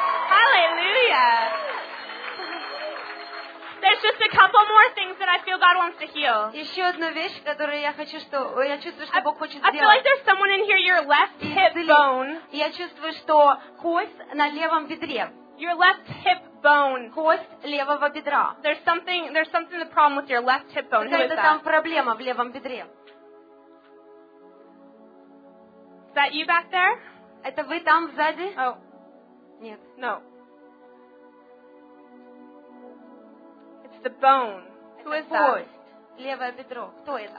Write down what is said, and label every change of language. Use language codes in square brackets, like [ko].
[en] Hallelujah. There's just a couple more things that I feel God wants to heal. [ru] Еще одна вещь, которую я хочу, что я чувствую, что Бог хочет сделать. [en] I feel like there's someone in here. Your left hip bone. [ru] Я чувствую, что кость на левом бедре. [en] Your left hip bone. [ru] Кость левого бедра. [en] There's something the problem with your left hip bone. [ru] Какая-то там проблема в левом бедре. [en] Is that you back there? [ru] Это вы там сзади? Oh. Нет. [en] No. It's the bone. Who is that? [ru] Кость. Левое бедро. Кто это?